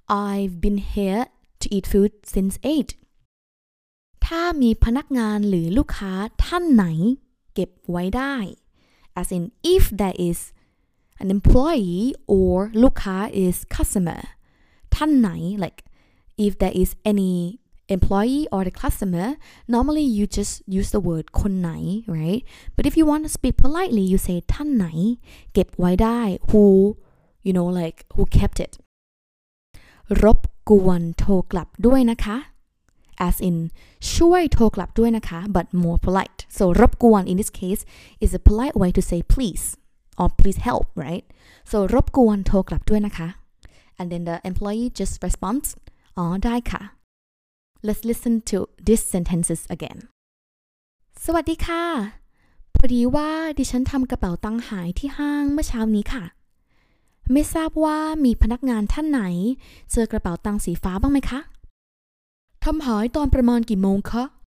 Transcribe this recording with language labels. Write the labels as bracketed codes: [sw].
[en] I've been here to eat food since 8 [th] ถ้ามีพนักงานหรือลูกค้าท่านไหนเก็บไว้ได้ [en] as in if there is an employee or ลูกค้า is customer ท่านไหน like if there is anyEmployee or the customer, normally you just use the word คนไหน, right? But if you want to speak politely, you say ท่านไหน, เก็บไว้ได้, who, you know, like, who kept it. [th] รบกวนโทรกลับด้วยนะคะ, [en] as in, [th] ช่วยโทรกลับด้วยนะคะ, [en] but more polite. So, รบกวน, in this case, is a polite way to say please, or please help, right? [th] So, รบกวนโทรกลับด้วยนะคะ. [en] And then the employee just responds, [th] อ๋อได้ค่ะ [en] Let's listen to these sentences again. [th] สวัสดีค่ะพอดีว่าดิฉันทำกระเป๋าตังหายที่ห้างเมื่อเช้านี้ค่ะไม่ทราบว่ามีพนักงานท่านไหนเจอกระเป๋าตังสีฟ้าบ้างไหมคะ ทำหายตอนประมาณกี่โมงคะ